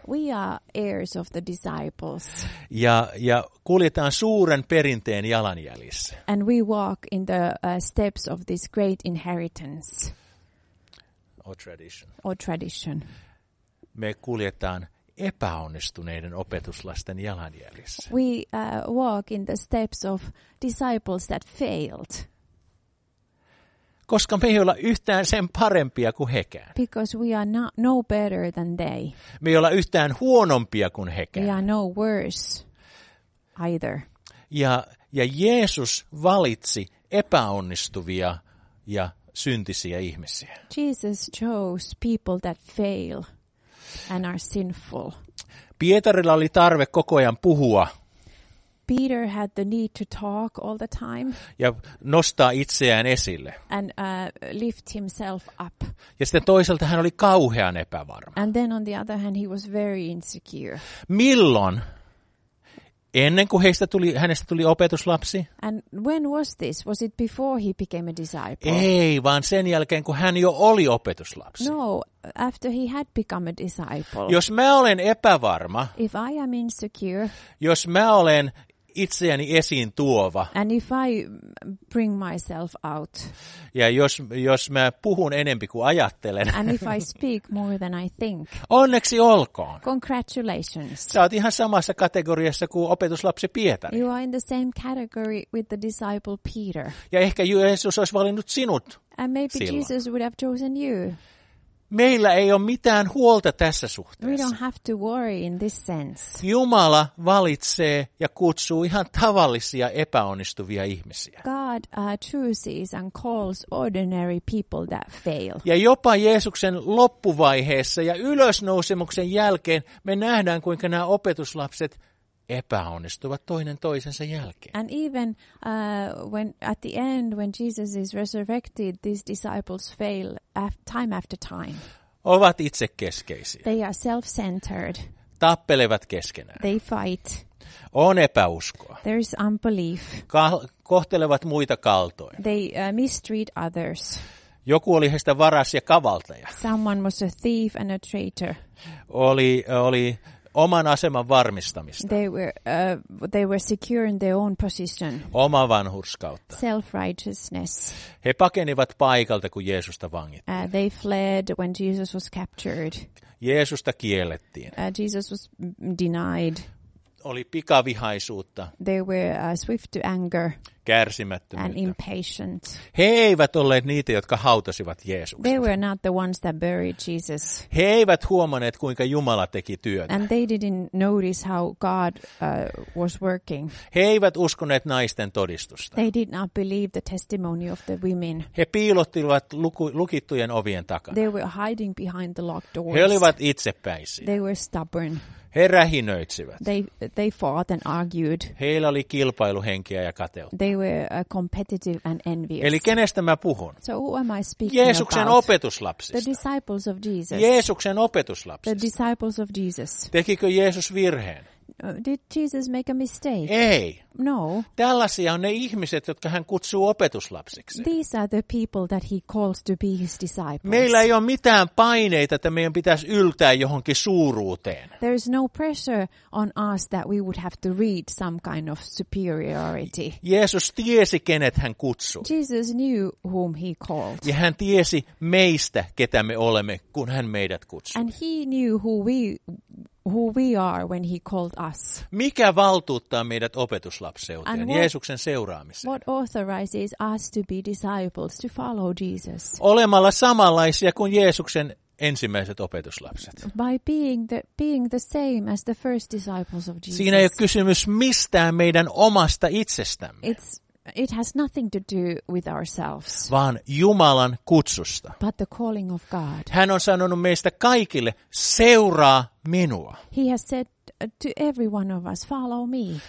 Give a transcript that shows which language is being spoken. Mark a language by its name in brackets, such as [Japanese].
[English] We are heirs of the disciples. [Finnish] Ja kuljetaan suuren perinteen jalanjäljissä. [English] And we walk in the steps of this great inheritance. Or tradition. Or tradition. [Finnish] Me kuljetaan epäonnistuneiden opetuslasten jalanjäljissä. [English] We walk in the steps of disciples that failed. [Finnish] Koska me ei olla yhtään sen parempia kuin hekään. [English] Because we are not no better than they. [Finnish] Me ei olla yhtään huonompia kuin hekään. [English] We are no worse either. [Finnish] Ja Jeesus valitsi epäonnistuvia ja syntisiä ihmisiä. [English] Jesus chose people that fail and are sinful. [Finnish] Pietarilla oli tarve koko ajan puhua. [English] Peter had the need to talk all the time. [Finnish] Ja nostaa itseään esille. [English] And lift himself up. [Finnish] Ja sitten toisaalta hän oli kauhean epävarma. [English] And then on the other hand he was very insecure. [Finnish] Milloin? Ennen kuin hänestä tuli opetuslapsi? [English] And when was this? Was it before he became a disciple? [Finnish] Ei, vaan sen jälkeen kun hän jo oli opetuslapsi. [English] No, after he had become a disciple. [Finnish] Jos mä olen epävarma. [English] If I am insecure. [Finnish] Jos mä olen itseäni esiin tuova. [English] And if I bring myself out. [Finnish] Ja jos mä puhun enempi kuin ajattelen. [English] And if I speak more than I think. [Finnish] Onneksi olkoon. [English] Congratulations. [Finnish] Sä oot ihan samassa kategoriassa kuin opetuslapsi Pietari. [English] You are in the same category with the disciple Peter. [Finnish] Ja ehkä Jeesus olisi valinnut sinut. [English] And maybe [Finnish] silloin. [English] Jesus would have chosen you. [Finnish] Meillä ei ole mitään huolta tässä suhteessa. [English] We don't have to worry in this sense. [Finnish] Jumala valitsee ja kutsuu ihan tavallisia epäonnistuvia ihmisiä. [English] God chooses and calls ordinary people that fail. [Finnish] Ja jopa Jeesuksen loppuvaiheessa ja ylösnousemuksen jälkeen me nähdään, kuinka nämä opetuslapset epäonnistuvat toinen toisensa jälkeen. [English] And even when at the end when Jesus is resurrected, these disciples fail time after time. [Finnish] Ovat itsekeskeisiä. [English] They are self-centered. [Finnish] Tappelevat keskenään. [English] They fight. [Finnish] On epäuskoa. [English] There is unbelief. [Finnish] Kohtelevat muita kaltoin. [English] They mistreat others. [Finnish] Joku oli heistä varas ja kavaltaja. [English] Someone was a thief and a traitor. [Finnish] Oli oman aseman varmistamista. [English] They were securing their own position. [Finnish] Oma vanhurskautta. [English] Self-righteousness. [Finnish] He pakenivat paikalta, kun Jeesusta vangittiin. [English] They fled when Jesus was captured. [Finnish] Jeesusta kiellettiin. [English] Jesus was denied. [Finnish] Oli pikavihaisuutta. [English] They were swift to anger. [Finnish] Kärsimättömyyttä. [English] And impatient. [Finnish] He eivät olleet niitä, jotka hautasivat Jeesuksen. [English] They were not the ones that buried Jesus. [Finnish] He eivät huomanneet, kuinka Jumala teki työtä. [English] And they didn't notice how God was working. [Finnish] He eivät uskoneet naisten todistusta. [English] They did not believe the testimony of the women. [Finnish] He piilottivat lukittujen ovien takana. [English] They were hiding behind the locked doors. [Finnish] He olivat itsepäisiä. [English] They were stubborn. [Finnish] He rähinöitsivät. [English] They fought and argued. [Finnish] Heillä oli kilpailuhenkeä ja kateutta. [English] They were competitive and envious. [Finnish] Eli kenestä mä puhun? [English] So who am I speaking [Finnish] Jeesuksen [English] about? [Finnish] Opetuslapsista. [English] The disciples of Jesus. [Finnish] Jeesuksen opetuslapsista. [English] The disciples of Jesus. [Finnish] Tekikö Jeesus virheen? [English] Did Jesus make a mistake? [Finnish] Ei. [English] No. [Finnish] Tällaisia on ne ihmiset, jotka hän kutsuu opetuslapsiksi. [English] These are the people that he calls to be his disciples. [Finnish] Meillä ei ole mitään paineita, että meidän pitäisi yltää johonkin suuruuteen. [English] There is no pressure on us that we would have to reach some kind of superiority. [Finnish] Jeesus tiesi, kenet hän kutsui. [English] Jesus knew whom he called. [Finnish] Ja hän tiesi meistä, ketä me olemme, kun hän meidät kutsui. [English] And he knew who we are when he called us. [Finnish] Mikä valtuuttaa meidät opetuslapseuteen, Jeesuksen seuraamiseen? [English] What authorizes us to be disciples, to follow Jesus? [Finnish] Olemalla samanlaisia kuin Jeesuksen ensimmäiset opetuslapset. [English] By being the same as the first disciples of Jesus. [Finnish] Siinä ei ole kysymys mistään meidän omasta itsestämme. [English] It has nothing to do with ourselves. [Finnish] Vaan Jumalan kutsusta. [English] But the calling of God. [Finnish] Hän on sanonut meistä kaikille, seuraa minua. [English] He has said to every one of us, follow me.